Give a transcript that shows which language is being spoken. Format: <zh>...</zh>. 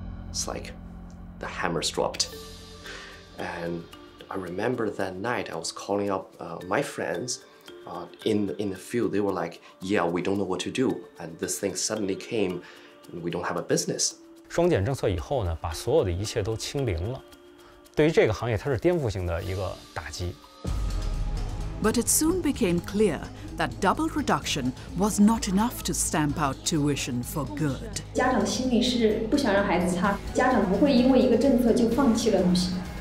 <en>It's like the hammers dropped. And I remember that night I was calling up my friends in the field. They were like, yeah, we don't know what to do. And this thing suddenly came and we don't have a business.</en> <zh>双减政策以后呢，把所有的一切都清零了。对于这个行业它是颠覆性的一个打击。</zh> <en>But it soon became clear that doubled reduction was not enough to stamp out tuition for good.</en> <zh>家长心里是不想让孩子差，家长不会因为一个政策就放弃了东西。</zh>